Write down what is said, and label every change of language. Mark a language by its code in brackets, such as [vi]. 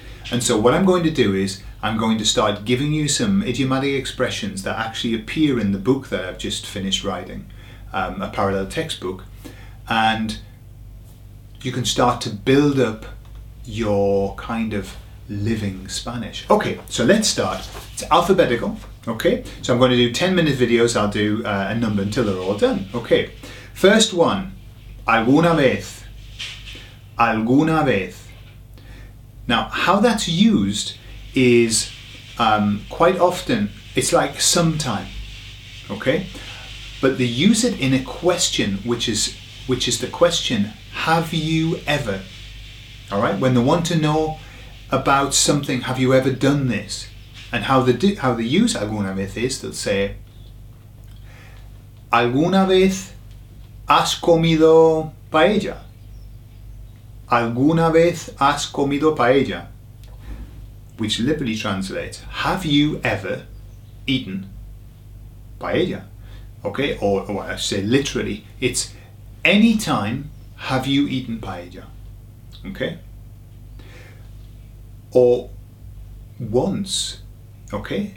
[en] And so what I'm going to do is I'm going to start giving you some idiomatic expressions that actually appear in the book that I've just finished writing, a parallel textbook, and you can start to build up your kind of living Spanish. Okay, so let's start. It's alphabetical, okay? So I'm going to do 10-minute videos. I'll do a number until they're all done. Okay, first one, alguna vez, alguna vez. Now, how that's used is quite often, it's like sometime, okay? But they use it in a question, which is the question, have you ever, all right? When they want to know about something, have you ever done this? And how they use alguna vez is, they'll say, [es] alguna vez has comido paella? ¿Alguna vez has comido paella? [en] Which literally translates, have you ever eaten paella? Okay, or I say literally, it's any time have you eaten paella? Okay? Or once, okay?